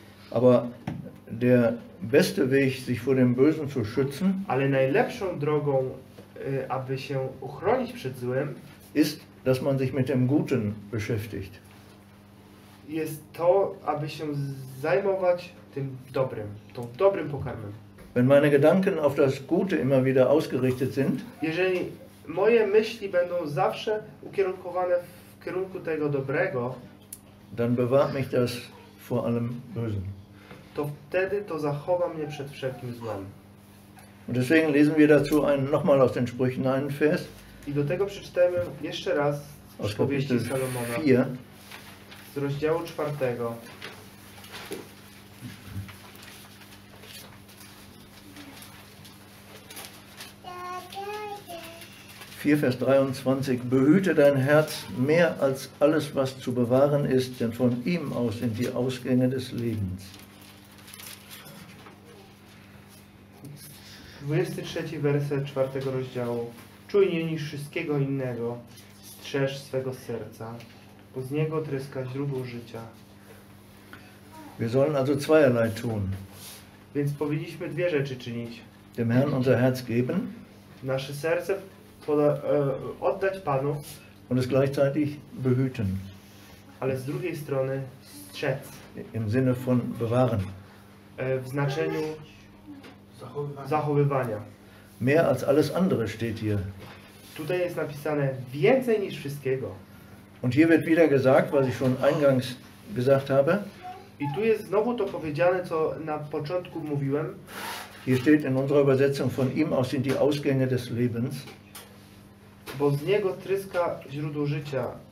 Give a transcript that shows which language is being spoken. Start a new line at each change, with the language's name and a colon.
German: Aber der beste Weg, sich vor dem Bösen zu schützen,
Polish: ale najlepszą drogą, aby się uchronić przed złem,
German: ist, dass man sich mit dem Guten beschäftigt.
Polish: Jest to, aby się zajmować tym dobrym, tą dobrym pokarmem.
German: Wenn meine Gedanken auf das Gute immer wieder ausgerichtet sind,
Polish: jeżeli moje myśli będą zawsze ukierunkowane w kierunku tego dobrego,
German: dann bewahrt mich das vor allem Bösen.
Polish: To wtedy to zachowa mnie przed wszelkim złem.
German: Und deswegen lesen wir dazu nochmal aus den Sprüchen einen Vers.
Polish: I do tego przeczytajmy jeszcze raz z powieści Salomona. Z rozdziału 4.
German: Vers 23, behüte dein Herz mehr als alles, was zu bewahren ist, denn von ihm aus sind die Ausgänge des Lebens.
Polish: 23 werset 4 rozdziału. Czujnie niż wszystkiego innego, strzeż swego serca, bo z niego tryska źródło życia.
German: Wir sollen also zweierlei tun.
Polish: Więc powinniśmy dwie rzeczy czynić.
German: Dem Herrn unser Herz geben.
Polish: Nasze serce oddać Panu,
German: und es gleichzeitig behüten.
Polish: Ale z drugiej strony strzec.
German: Im Sinne von bewahren.
Polish: W znaczeniu zachowywania.
German: Mehr als alles andere steht hier.
Polish: Tutaj jest napisane więcej niż wszystkiego.
German: Und hier wird wieder gesagt, was ich schon eingangs gesagt habe.
Polish: I tu jest znowu to powiedziane, co na początku mówiłem.
German: Hier steht in unserer Übersetzung, von ihm aus sind die Ausgänge des Lebens.
Polish: Bo z niego tryska źródło życia.